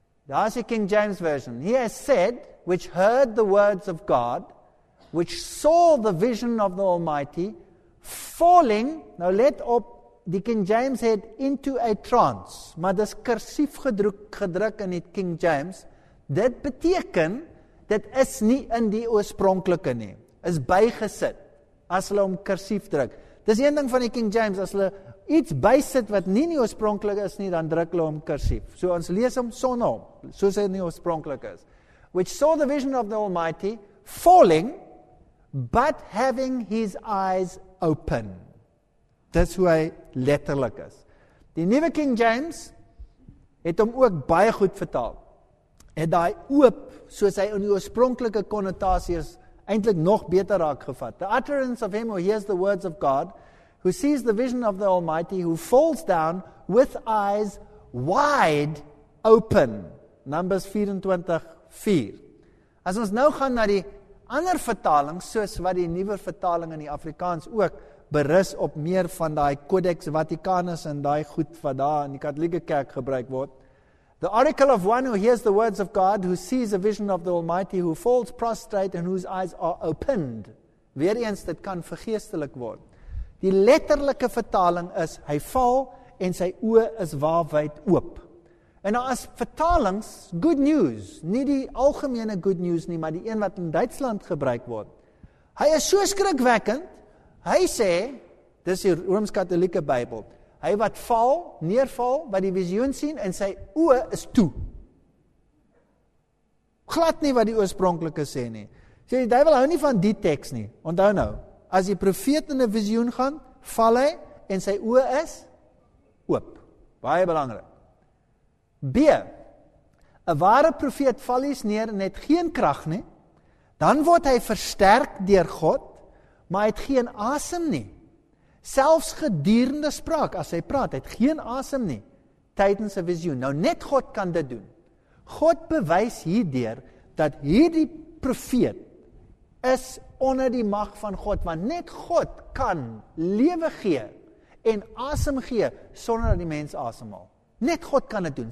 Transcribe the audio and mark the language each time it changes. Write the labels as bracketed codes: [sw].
[af] Daar is die King James version. [en] He has said, which heard the words of God, which saw the vision of the Almighty, falling, [af] nou let op, die King James het [en] into a trance, [af] maar dis kursief gedruk in die King James, dit beteken, dit is nie in die oorspronklike nie, is bygesit, as hulle om kursief druk. Dis een ding van die King James, as hulle iets bysit wat nie die oorspronklik is nie, dan druk hulle om kursief. So ons lees hom sonom, soos hy nie oorspronklik is. [en] Which saw the vision of the Almighty falling, but having his eyes open. [af] Dis hoe hy letterlik is. Die nuwe King James het hom ook baie goed vertaal. Het daai oop, soos hy in die oorspronklike konnotasie is, eintlik nog beter raak gevat. [en] The utterance of him who hears the words of God, who sees the vision of the Almighty, who falls down with eyes wide open. Numbers 24:4. [af] As ons nou gaan na die ander vertaling, soos wat die nuwe vertaling in die Afrikaans ook berus op meer van daai Codex Vaticanus en daai goed wat daar in die Katolieke Kerk gebruik word. [en] The oracle of one who hears the words of God, who sees a vision of the Almighty, who falls prostrate and whose eyes are opened. [af] Weer eens, dit kan vergeestelik word. Die letterlike vertaling is, hy val en sy oë is waarwyd oop. En nou as vertalings, good news, nie die algemene good news nie, maar die een wat in Duitsland gebruik word. Hy is so skrikwekkend, hy sê, dis die Rooms-Katolieke Bybel, hy wat val, neerval, wat die visioen sien, en sy oë is toe. Glad nie wat die oorspronklike sê nie. Sê die duivel hou nie van die teks nie, onthou nou. As die profeet in 'n visioen gaan, val hy, en sy oë is oop. Baie belangrik. B. 'N ware profeet val eens neer en het geen krag nie, dan word hy versterk deur God, maar het geen asem nie. Selfs gedurende spraak, as hy praat, het geen asem nie, tydens 'n visioen. Nou net God kan dit doen. God bewys hierdeur, dat hierdie profeet is onder die mag van God, want net God kan lewe gee en asem gee sonder dat die mens asemhaal. Net God kan dit doen.